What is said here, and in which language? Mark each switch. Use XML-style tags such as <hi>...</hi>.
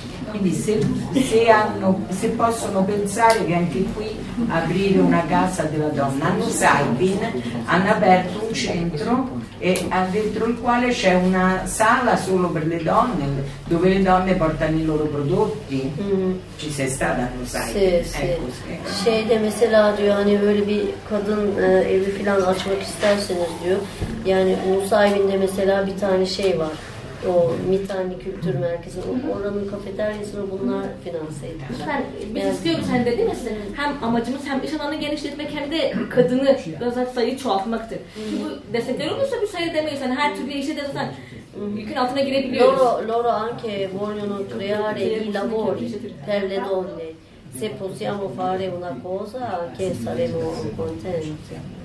<it>Quindi se possono pensare che anche qui aprire una casa della donna, hanno Salvin, hanno aperto un centro e dentro il quale c'è una sala solo per le donne, dove le donne portano i loro prodotti. Ci sei stata, lo sai. Sì.</it> <tr>Şey de mesela diyor hani böyle bir kadın evi falan açmak isterseniz diyor. Yani Musaibin'de mesela bir tane şey var. o Mitani Kültür Merkezi, oranın kafeteryasını bunlar finanse ediyor. Lütfen, biz istiyoruz, sen dedin ya senin, hem amacımız hem iş alanını genişletmek hem de kadını, zaten sayıyı çoğaltmaktır. Çünkü bu destekler olursa bir sayı demeyiz, yani her türlü işe de zaten yükün altına girebiliyoruz.</tr> <it>Loro anche vogliono creare i lavori per le donne. Se possiamo fare una cosa che saremo contenti.</it>